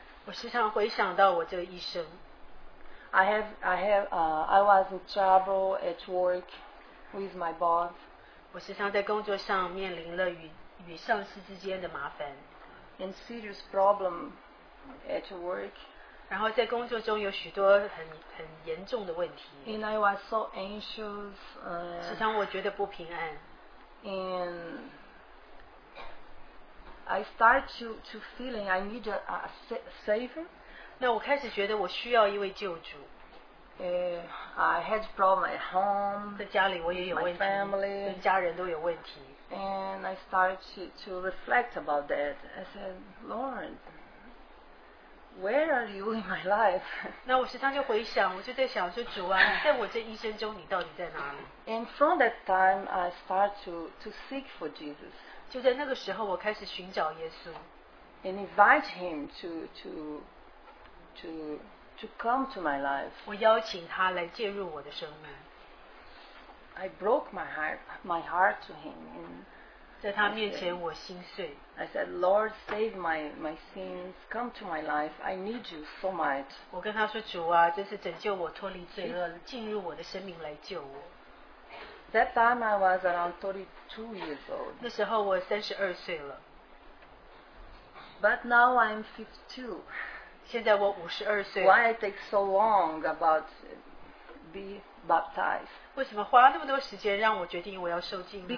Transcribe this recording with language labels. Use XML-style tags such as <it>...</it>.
<zh>我时常回想到我这一生。</zh> <en>I was in trouble at work with my boss.</en> <zh>我时常在工作上面临了与上司之间的麻烦。</zh> <en>And serious problem at work.</en> <zh>然后在工作中有许多很严重的问题。</zh> <en>And I was so anxious.</en> <zh>时常我觉得不平安。</zh> <en>And I start to feeling I need a savior.</en> <zh>那我开始觉得我需要一位救主。</zh> <en>I had problem at home.</en> <zh>在家里我也有问题。</zh> <en>My family.</en> <zh>跟家人都有问题。</zh> <en>And I started to reflect about that. I said, Lord, where are you in my life?</en> <zh>那我时常就回想，我就在想说，主啊，在我这一生中，你到底在哪里？</zh> <en>And from that time, I start to seek for Jesus.</en> <zh>就在那个时候，我开始寻找耶稣。</zh> <en>And invite him to come to my life.</en> <zh>我邀请他来介入我的生命。</zh> <en>I broke my heart to him. And</en> <zh>在他面前我心碎。</zh> <en>I said, Lord, save my sins. Come to my life. I need you so much.</en> <zh>我跟他说，主啊，这是拯救我脱离罪恶，进入我的生命来救我。</zh> <en>That time I was around 32 years old.</en> <zh>那时候我32岁了。But</zh> <en>now I'm 52.</en> <zh>现在我52岁了。</zh> <en>Why it takes so long about be baptized?</en> <zh>为什么花那么多时间让我决定我要受浸呢？</zh>